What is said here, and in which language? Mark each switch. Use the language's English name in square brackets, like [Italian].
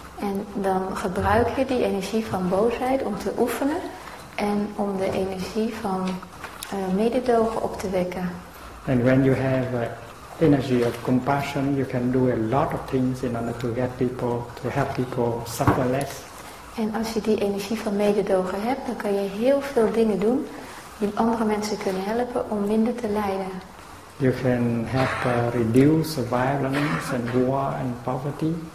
[Dutch] En dan gebruik je die energie van boosheid om te oefenen en om de energie van mededogen op te wekken. [English] And when you have energy of compassion, you can do a lot of things in order to get people, to help people suffer less. [Dutch] En als je die energie van mededogen hebt, dan kan je heel veel dingen doen die andere mensen kunnen helpen om minder te lijden. [English] You can help reduce violence and war and poverty.